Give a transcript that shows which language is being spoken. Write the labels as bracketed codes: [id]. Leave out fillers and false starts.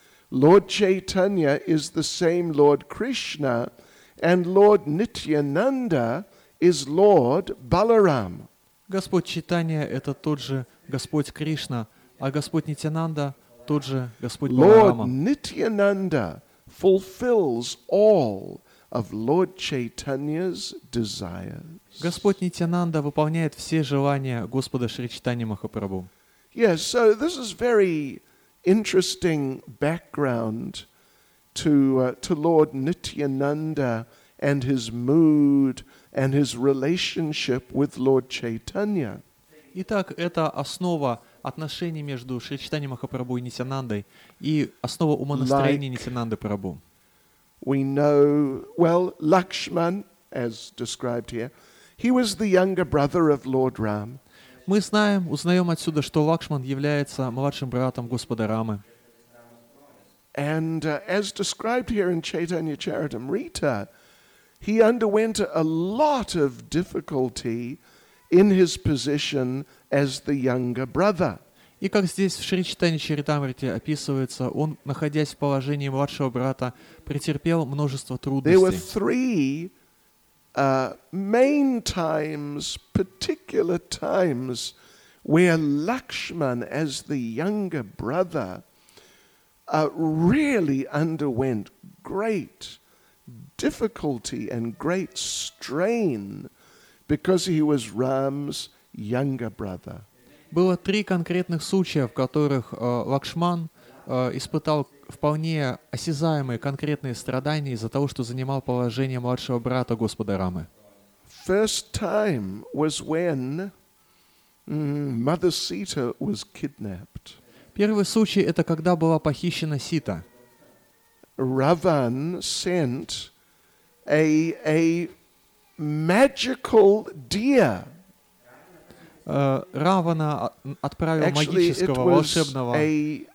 [en] Lord Chaitanya is the same Lord Krishna, and Lord Nityananda is Lord Balaram. [ru] Господь Чайтанья — это тот же Господь Кришна, а Господь Нитьянанда — тот же Господь Баларама. [en] Lord Nityananda fulfills all of Lord Chaitanya's desires. [ru] Господь Нитьянанда выполняет все желания Господа Шри Чайтаньи Махапрабху. [en] Yes, so this is very interesting background to Lord Nityananda and his mood and his relationship with Lord Chaitanya. [ru] Итак, это основа отношений между Шри Чайтаньей Махапрабху и Нитьянандой и основа умонастроения Нитьянанды Прабху. [en] We know, well, Lakshman, as described here, he was the younger brother of Lord Ram. [ru] Мы знаем, узнаем отсюда, что Лакшман является младшим братом Господа Рамы. [en] And as described here in Chaitanya Charitamrita, he underwent a lot of difficulty in his position as the younger brother. [ru] И как здесь в Шри Чайтанья Чаритамрите описывается, он, находясь в положении младшего брата, претерпел множество трудностей. [en] There were three main times, particular times, where Lakshman, as the younger brother, really underwent great difficulty and great strain because he was Ram's younger brother. [ru] Было три конкретных случая, в которых Лакшман, испытал вполне осязаемые конкретные страдания из-за того, что занимал положение младшего брата Господа Рамы. [en] First time was when Mother Sita was kidnapped. [ru] Первый случай — это когда была похищена Сита. [en] Раван sent a magical deer. [ru] Равана отправил магического волшебного оленя.